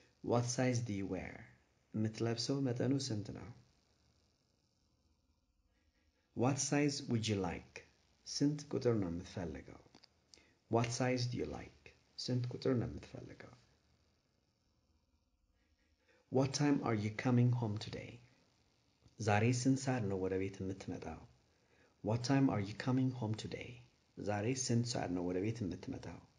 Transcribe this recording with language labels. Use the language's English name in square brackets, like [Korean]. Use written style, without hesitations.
[English] What size do you wear? [Amharic] የምትለብሰው መጠኑ ስንት ነው? [English] What size would you like? [Amharic] ስንት ቁጥር ነው የምትፈልገው? [English] What size do you like? [Amharic] ስንት ቁጥር ነው የምትፈልገው? [English] What time are you coming home today? [Amharic] ዛሬ ስንት ሰዓት ነው ወደ ቤት የምትመጣው? [English] What time are you coming home today? [Amharic] ዛሬ ስንት ሰዓት ነው ወደ ቤት የምትመጣው?